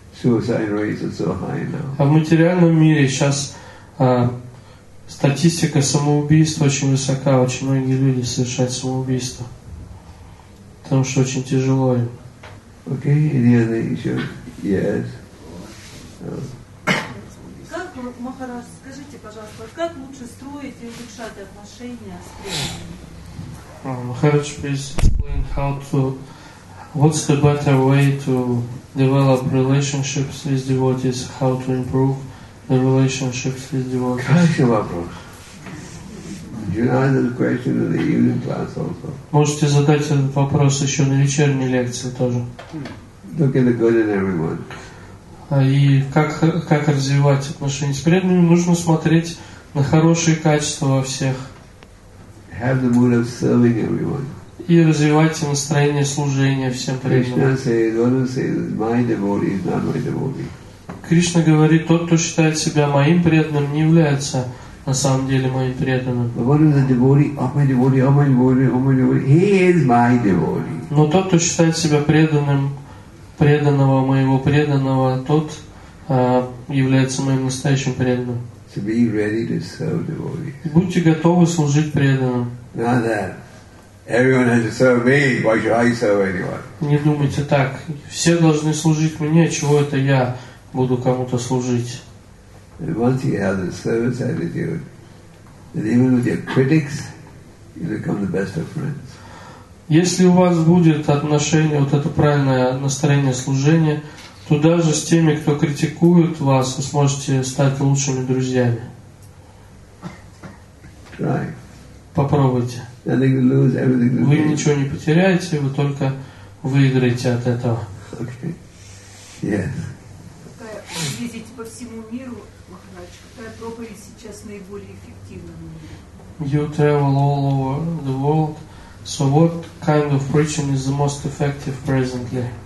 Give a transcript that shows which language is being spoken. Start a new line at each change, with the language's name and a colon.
Russian: А в материальном мире сейчас статистика самоубийств очень высока, очень многие люди совершают самоубийство, потому что очень тяжело им. Как, Махарадж, скажите, пожалуйста, как лучше строить и улучшать отношения с преданными?
English: Махарадж, please explain what's the better way to develop relationships with devotees, how to improve the relationships with devotees?
Russian: Хороший вопрос.
English: You asked the question in the evening class also.
Russian: Можете задать этот вопрос еще на вечерней лекции тоже.
English: Look at the good in everyone.
Russian: И как развивать отношения с преданными, нужно смотреть на хорошие качества во всех.
English: Have the mood of serving everyone.
Russian: И развивайте настроение служения всем преданным.
English: Krishna says, my devotee is not my devotee.
Russian: Кришна говорит, тот, кто считает себя моим преданным, не является на самом деле моим преданным.
English: What is the devotee? Oh, my devotee, oh, my devotee, oh, my devotee. He is my devotee.
Russian: Но тот, кто считает себя преданным, преданного моего преданного, тот является моим настоящим преданным.
English: To be ready to serve devotees.
Russian: Будьте готовы служить преданным.
English: Not that. Everyone has to serve me. Why should I serve anyone?
Russian: Не думайте так. Все должны служить мне, чего это я буду кому-то служить.
English: And once you have the service attitude, then even with your critics, you become the best of friends.
Russian: Если у вас будет отношение, вот это правильное настроение служения, то даже с теми, кто критикует вас, вы сможете стать лучшими друзьями.
English: Try.
Russian: Попробуйте.
English: Nothing to lose, everything to gain.
Russian: Вы ничего не потеряете, вы только выиграете от этого.
English: Okay. Yes.
Russian: Ездите по всему миру, Махарадж, какая проповедь сейчас наиболее эффективна?
English: You travel all over the world. So what kind of preaching is the most effective presently?